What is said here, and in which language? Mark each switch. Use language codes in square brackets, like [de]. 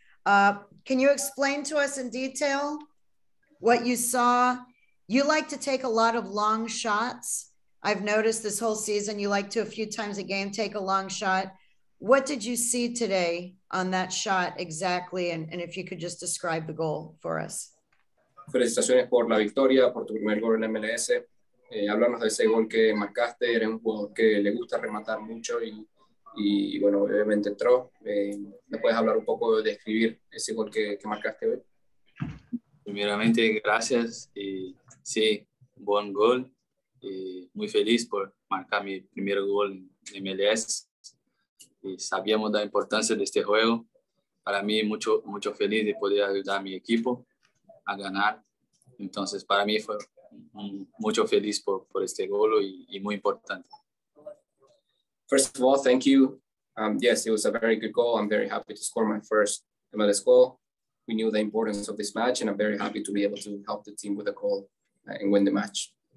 [en] Can you explain to us in detail what you saw? You like to take a lot of long shots. I've noticed this whole season, you like to a few times a game, take a long shot. What did you see today on that shot exactly? And if you could just describe the goal for us. [es] Felicitaciones por la victoria, por tu primer gol en MLS. Háblanos de ese gol que marcaste. Eres un jugador que le gusta rematar mucho y bueno, obviamente entró. ¿Me puedes hablar un poco de describir ese gol que marcaste hoy? Primeramente, gracias. Sí, buen gol. Muy feliz por marcar mi primer gol en MLS. Sabíamos la importancia de este juego. Para mí, mucho, mucho feliz de poder ayudar a mi equipo a ganar. Entonces, para mí fue mucho feliz por este gol y muy importante. [en] First of all, thank you. Yes, it was a very good goal. I'm very happy to score my first MLS goal. We knew the importance of this match, and I'm very happy to be able to help the team with a goal and win the match.